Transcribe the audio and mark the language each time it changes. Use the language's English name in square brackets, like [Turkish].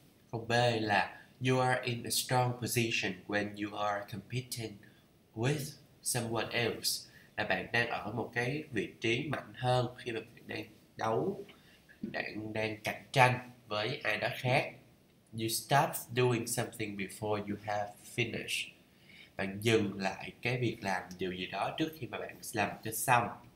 [Vietnamese] Câu B là [English] you are in a strong position when you are competing with someone else, [Vietnamese] là bạn đang ở một cái vị trí mạnh hơn khi mà bạn đang đấu. Đang cạnh tranh với ai đó khác. [English] You stop doing something before you have finished. [Vietnamese] Bạn dừng lại cái việc làm điều gì đó trước khi mà bạn làm cho xong.